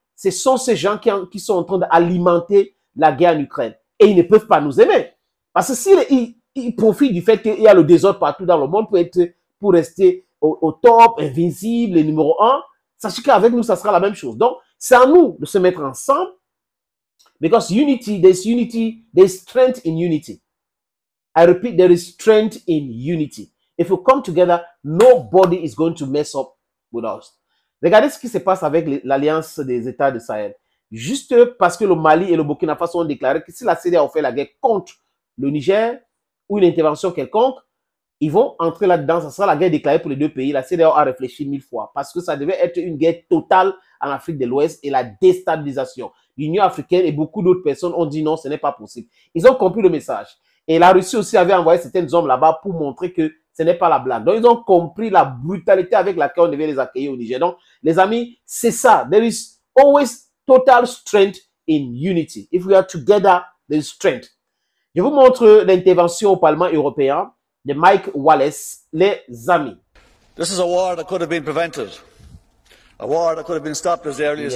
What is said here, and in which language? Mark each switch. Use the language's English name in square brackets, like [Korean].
[French] Ce sont ces gens qui sont en train d'alimenter la guerre en Ukraine. Et ils ne peuvent pas nous aimer. Parce que s'ils profitent du fait qu'il y a le désordre partout dans le monde pour rester au top, invisible, le numéro un, sachez qu'avec nous, ça sera la même chose. Donc, c'est à nous de se mettre ensemble. [English] Because unity, there's strength in unity. I repeat, there is strength in unity. If we come together, nobody is going to mess up with us. [French] Regardez ce qui se passe avec l'alliance des États de Sahel. Juste parce que le Mali et le Burkina Faso ont déclaré que si la CEDEAO fait la guerre contre le Niger ou une intervention quelconque, ils vont entrer là-dedans. Ça sera la guerre déclarée pour les deux pays. La CEDEAO a réfléchi 1000 fois parce que ça devait être une guerre totale en Afrique de l'Ouest et la déstabilisation. L'Union africaine et beaucoup d'autres personnes ont dit non, ce n'est pas possible. Ils ont compris le message. Et la Russie aussi avait envoyé certains hommes là-bas pour montrer que ce n'est pas la blague. Donc, ils ont compris la brutalité avec laquelle on devait les accueillir au Niger. Donc, les amis, c'est ça. [English] There is always total strength in unity. If we are together, there is strength. [French] Je vous montre l'intervention au Parlement européen de Mike Wallace, les amis. [English] This is a war that could have been prevented. A war that could have been stopped as early as